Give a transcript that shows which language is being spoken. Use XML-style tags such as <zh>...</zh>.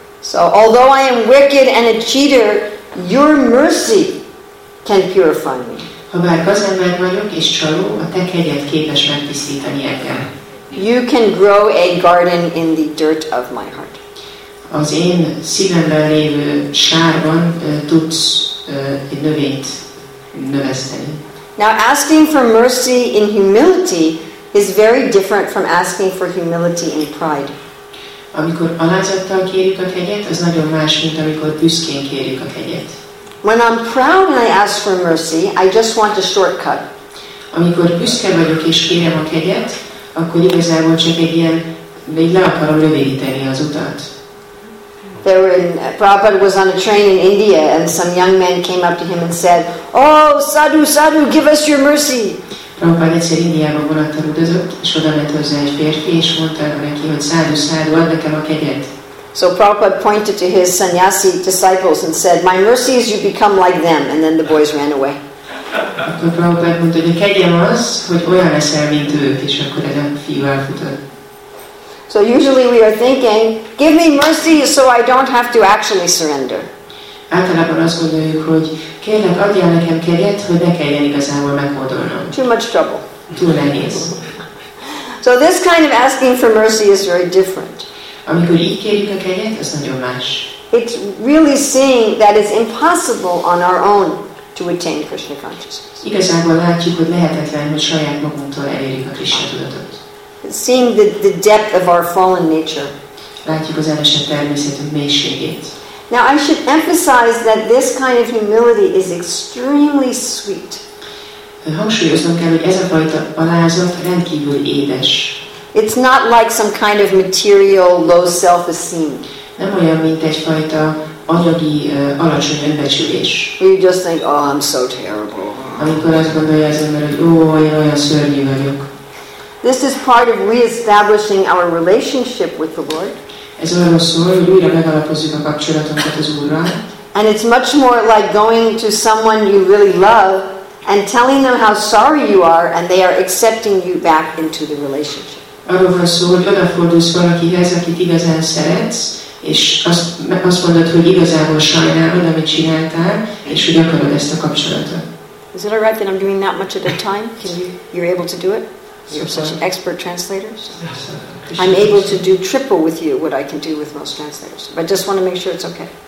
<en>So although I am wicked and a cheater, your mercy can purify me.</en> <hu>Ha bár gazember vagyok és csaló, a te kegyed képes megtisztítani engem.</hu> <en>You can grow a garden in the dirt of my heart.</en> <hu>Az én szívemben lévő sárban tudsz egy növényt növeszteni.</hu> <en>Now asking for mercy in humility is very different from asking for humility in pride.</en> <hu>Amikor alázattal kérjük a kegyet, az nagyon más, mint amikor büszkén kérjük a kegyet.</hu> <en>When I'm proud and I ask for mercy, I just want a shortcut.</en> <hu>Amikor büszke vagyok és kérem a kegyet, akkor igazából csak egy ilyen, még le akarom rövidíteni az utat.</hu> <en>Prabhupada was on a train in India and some young man came up to him and said, "Oh, sadhu, sadhu, give us your mercy."</en> <hu>Prabhupada egyszer Indiában vonattal utazott, és oda ment hozzá egy férfi, és mondta neki, hogy sadhu, sadhu, add nekem a kegyet.</hu> <en>So Prabhupada pointed to his sannyasi disciples and said, "My mercy is you become like them." And then the boys ran away.</en> <hu>Akkor Prabhupada mondta, hogy a kegyem az, hogy olyan leszel, mint ők, és akkor ez a fiú elfutott.</hu> <en>So usually we are thinking, give me mercy so I don't have to actually surrender.</en> <hu>Általában azt gondoljuk, hogy kérlek, adjál nekem kegyet, hogy ne kelljen igazából meghódolnom.</hu> <en>Too much trouble.</en> <hu>Túl nehéz.</hu> <en>So this kind of asking for mercy is very different.</en> <hu>Amikor így kérjük a kegyet, az nagyon más.</hu> <en>It's really seeing that it's impossible on our own to attain Krishna consciousness.</en> <hu>Igazából látjuk, hogy lehetetlen, hogy saját magunktól elérjük a Krishna tudatot.</hu> <en>Seeing the depth of our fallen nature.</en> <hu>Látjuk az elesett természetünk mélységét.</hu> <en>Now I should emphasize that this kind of humility is extremely sweet.</en> <hu>Hangsúlyoznom kell, hogy ez a fajta alázat rendkívül édes.</hu> <en>It's not like some kind of material low self-esteem.</en> <hu>Nem olyan, mint egyfajta anyagi alacsony önbecsülés.</hu> <en>You just think, oh, I'm so terrible.</en> <hu>Amikor azt gondolja az ember, hogy ó, én olyan szörnyű vagyok.</hu> <en>This is part of re-establishing our relationship with the Lord.</en> <hu>Ez arról szól, hogy újra megalapozzuk a kapcsolatunkat az Úrral.</hu> <en>And it's much more like going to someone you really love and telling them how sorry you are and they are accepting you back into the relationship.</en> <hu>Arról van szó, hogy odafordulsz valakihez, akit igazán szeretsz, és azt mondod, hogy igazából sajnálod, amit csináltál, és hogy akarod ezt a kapcsolatot.</hu> <en>Is it alright that I'm doing that much at a time? You're able to do it? You're such an expert translator. So I'm able to do triple with you what I can do with most translators. But I just want to make sure it's okay.</en>